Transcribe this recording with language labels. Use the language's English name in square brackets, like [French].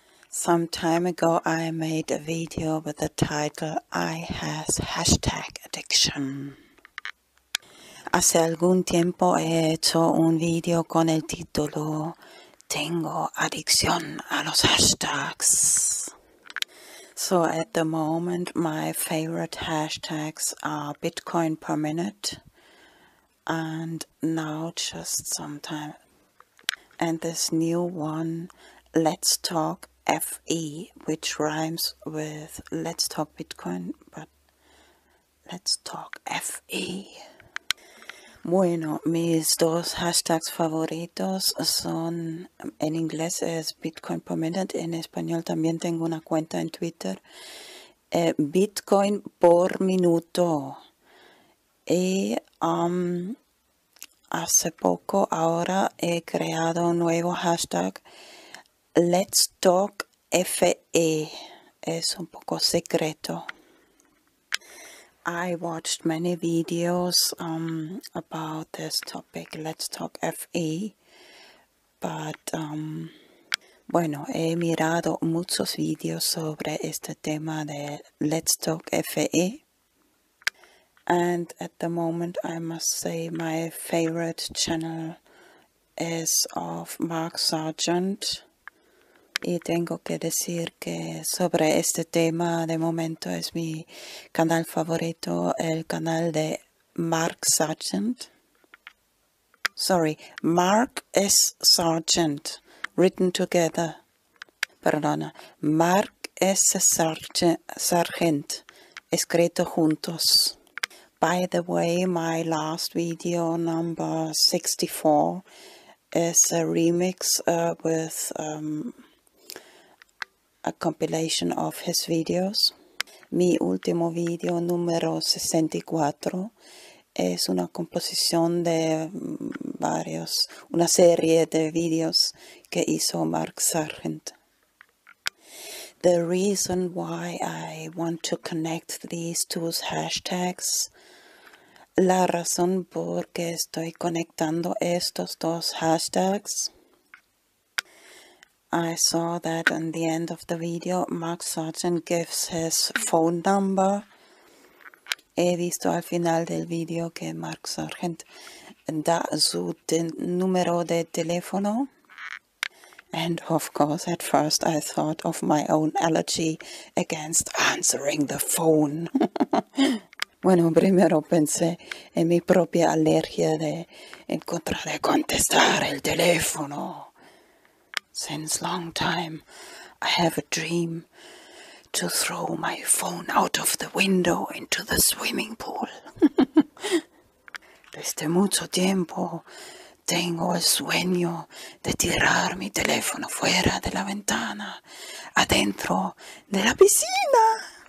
[English] Some time ago I made a video with the title I has hashtag addiction. [Spanish] Hace algún tiempo he hecho un video con el título Tengo adicción a los hashtags. [English] So at the moment my favorite hashtags are Bitcoin per minute and now just sometime. And this new one, Let's Talk FE, which rhymes with Let's Talk Bitcoin, but Let's Talk FE. [Spanish] Bueno, mis dos hashtags favoritos son, en inglés es Bitcoin per minute, en español también tengo una cuenta en Twitter, Bitcoin por minuto. Y hace poco, ahora he creado un nuevo hashtag, Let's Talk FE. Es un poco secreto. [English] I watched many videos about this topic, Let's Talk FE. [Spanish] But bueno, he mirado muchos videos sobre este tema de Let's Talk FE. [English] And at the moment, I must say my favorite channel is of Mark Sargent. [Spanish] Y tengo que decir que sobre este tema, de momento, es mi canal favorito, el canal de Mark Sargent. [English] Sorry, Mark S. Sargent, written together. [Spanish] Perdona, Mark S. Sargent, escrito juntos. [English] By the way, my last video, number 64, is a remix with a compilation of his videos. [Spanish] Mi último video, número 64, es una composición de varios, una serie de videos que hizo Mark Sargent. [English] The reason why I want to connect these two hashtags, [Spanish] la razón por que estoy conectando estos dos hashtags, [English] I saw that in the end of the video, Mark Sargent gives his phone number. [Spanish] He visto al final del video que Mark Sargent da su número de teléfono. [English] And of course, at first I thought of my own allergy against answering the phone. [Spanish] Bueno, primero pensé en mi propia alergia de en contra de contestar el teléfono. [English] Since long time, I have a dream to throw my phone out of the window into the swimming pool. [Spanish] Desde mucho tiempo, tengo el sueño de tirar mi teléfono fuera de la ventana, adentro de la piscina.